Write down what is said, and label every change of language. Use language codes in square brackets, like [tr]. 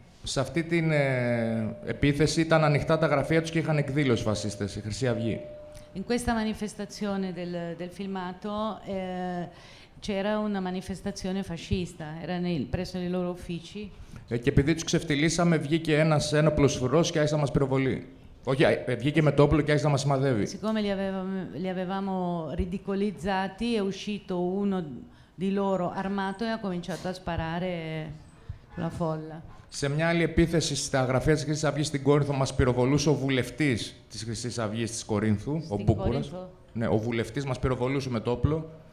[el] Σε αυτή την επίθεση ήταν ανοιχτά τα γραφεία τους και είχαν εκδήλωση φασίστες, η Χρυσή Αυγή. [it] In questa manifestazione del filmato c'era una manifestazione fascista, era presso i loro uffici. [el] Και επειδή τους ξεφτυλίσαμε, βγήκε ένας ένοπλος φρουρός και άρχισε να μας πυροβολεί. Όχι, βγήκε με το όπλο και άρχισε να μας σημαδεύει. [it] Siccome li avevamo ridicolizzati, è uscito uno di loro armato e ha cominciato a sparare la folla. [el] Σε μια άλλη επίθεση στα γραφεία της Χρυσής Αυγής στην Κόρινθο, μας πυροβολούσε ο βουλευτής της Χρυσής Αυγής της Κορίνθου, ο Μπούκουρας. Ναι, ο βουλευτής μας πυροβολούσε με το όπλο.